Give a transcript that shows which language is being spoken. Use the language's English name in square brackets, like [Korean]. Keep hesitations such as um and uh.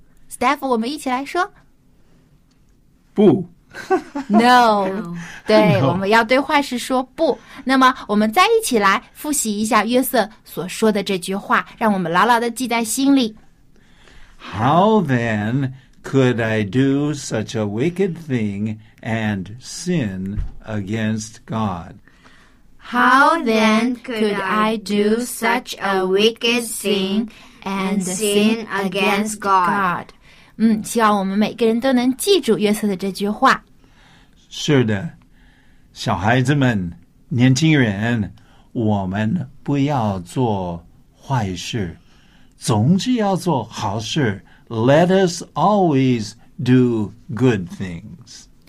[Chinese] Staff，我们一起来说。不。no，对，no. 我们要对坏事说不。那么，我们再一起来复习一下约瑟所说的这句话，让我们牢牢的记在心里。 [English] How then could I do such a wicked thing and sin against God？ how then could I do such a wicked thing and, and sin against, against God? God？ [Chinese] 嗯，希望我们每个人都能记住约瑟的这句话。是的，小孩子们、年轻人，我们不要做坏事，总是要做好事。 [English] Let us always do good things。